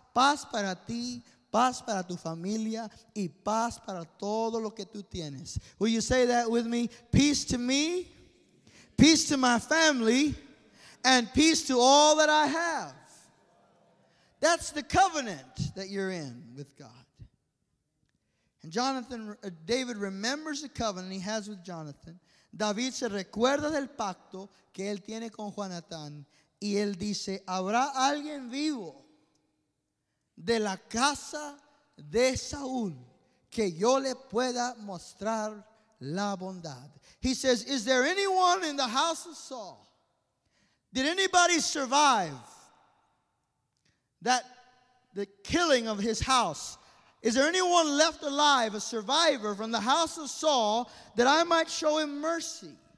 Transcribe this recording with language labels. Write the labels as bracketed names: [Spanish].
[Spanish] Paz para ti, paz para tu familia, y paz para todo lo que tú tienes. [English] Will you say that with me? Peace to me, peace to my family, and peace to all that I have. That's the covenant that you're in with God. And David remembers the covenant he has with Jonathan. [Spanish] David se recuerda del pacto que él tiene con Jonathan. Y él dice, ¿habrá alguien vivo de la casa de Saúl que yo le pueda mostrar la bondad? [English] He says, is there anyone in the house of Saul? Did anybody survive that the killing of his house? Is there anyone left alive, a survivor from the house of Saul, that I might show him mercy?